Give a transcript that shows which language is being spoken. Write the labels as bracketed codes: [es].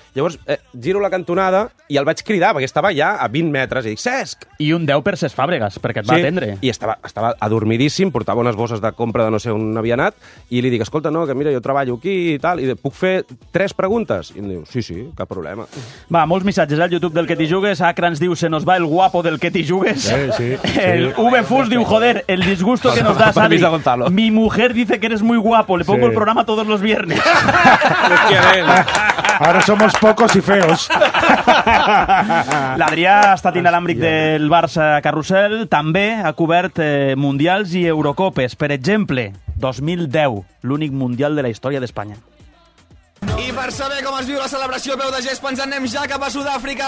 [ca] Llavors, giro la cantonada i el vaig cridar, perquè estava ja a 20 metres, i dic, Cesc! I un 10 per Cesc Fàbregas, perquè et va atendre. I estava adormidíssim, portava unes bosses de compra de no sé on havia anat, i li dic, escolta, no, que mira, jo treballo aquí i tal, i puc fer tres preguntes? I em diu, sí, sí, cap problema. Va, molts missatges al YouTube del Que t'hi jugues. [es] Acre [ca] ens diu, [es] se nos va el guapo del Que t'hi jugues. [ca] Sí, sí. [es] El VFus diu, joder, el disgusto que nos das, Ali. Mi mujer dice que eres muy guapo, le pongo el programa todos los viernes. Ara somos pocos y feos. [ca] L'Adrià ha estat inalàmbric del Barça Carrusel, també ha cobert Mundials i Eurocopes. Per exemple, 2010, l'únic Mundial de la història d'Espanya. I per saber com es viu la celebració a peu de gespa, ens anem ja cap a Sud-àfrica.